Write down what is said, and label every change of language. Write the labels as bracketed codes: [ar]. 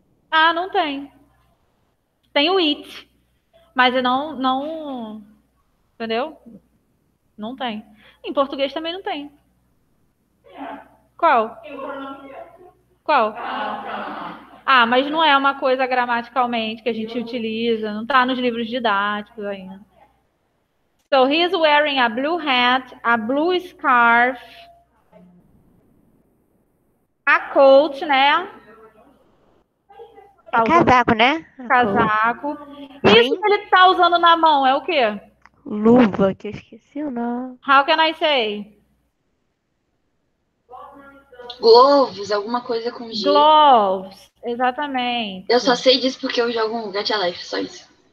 [pt] Ah, não tem. Tem o it. Mas eu não, não... Entendeu? Não tem. Em português também não tem. Qual? Qual? Ah, mas não é uma coisa gramaticalmente que a gente utiliza. Não está nos livros didáticos ainda. [en] So, he's wearing a blue hat, a blue scarf, a coat, [pt] né? Casaco, né? Casaco. Isso que ele está usando na mão é o quê? Luva, que eu esqueci o nome. [en] How can I say? [pt] Gloves, alguma coisa com G. Gloves, exatamente. Eu só sei disso porque eu jogo um Gacha Life, só isso.